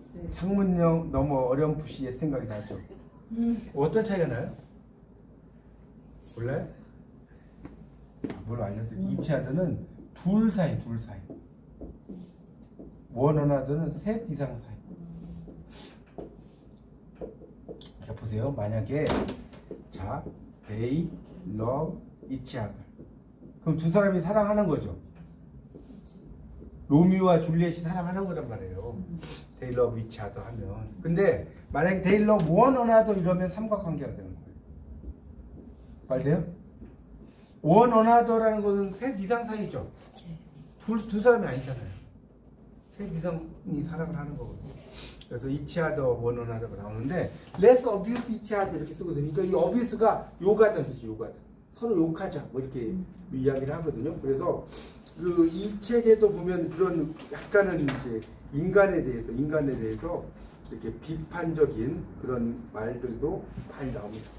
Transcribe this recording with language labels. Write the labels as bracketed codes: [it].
[ko] 창문형 너무 어렴풋이 옛 생각이 나죠. 어떤 차이가 나요? 몰라요? 뭘 알려드릴게요. 이치 아드는 둘 사이, 둘 사이. 원 어나드는 셋 이상 사이. 자, 보세요. 만약에, 자, [en] they love each other. [ko] 그럼 두 사람이 사랑하는 거죠. 로미오와 줄리엣이 사랑하는 거란 말이에요. [en] They love each other [ko] 하면. 근데 만약에 [en] they love one another [ko] 이러면 삼각관계가 되는 거예요. 말 돼요? One another라는 것은 셋 이상 사이죠. 두 사람이 아니잖아요. 셋 이상이 사랑을 하는 거거든요. 그래서 each other, one another가 나오는데 [en] let's abuse each other [ko] 이렇게 쓰거든요. 그러니까 이 abuse가 욕하자는 뜻이에요. 욕하자. 서로 욕하자 뭐 이렇게 이야기를 하거든요. 그래서 그 이 책에도 보면 그런 약간은 이제 인간에 대해서 이렇게 비판적인 그런 말들도 많이 나옵니다.